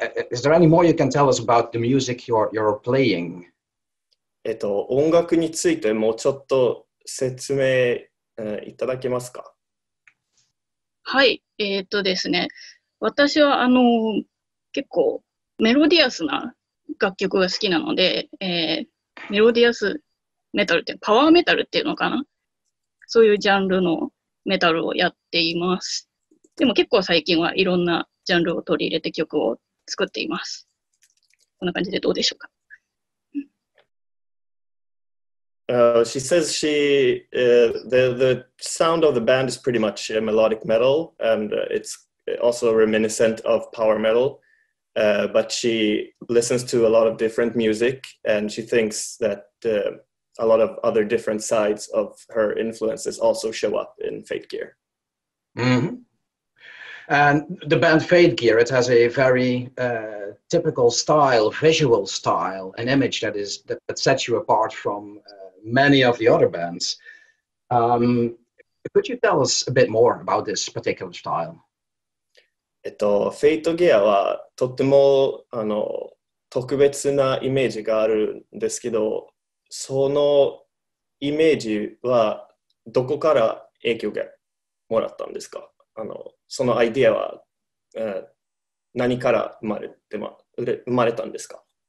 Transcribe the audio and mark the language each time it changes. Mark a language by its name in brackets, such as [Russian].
[English] Is there any more you can tell us about the music you're playing? [Japanese] 音楽についてもうちょっと説明いただけますか。はい、ですね、私は結構メロディアスな楽曲が好きなので、メロディアスメタルってパワーメタルっていうのかな、そういうジャンルのメタルをやっています。でも結構最近はいろんなジャンルを取り入れて曲を作っています。こんな感じでどうでしょうか。 [English] She says the sound of the band is pretty much melodic metal, and it's also reminiscent of power metal, but she listens to a lot of different music, and she thinks that a lot of other different sides of her influences also show up in Fategear. Mm-hmm. And the band Fategear, it has a very typical style, visual style, an image that sets you apart from many of the other bands. Could you tell us a bit more about this particular style? [Japanese] Fategear はとっても特別なイメージがあるんですけど、そのイメージはどこから影響がもらったんですか？そのアイデアは何から生まれたんですか？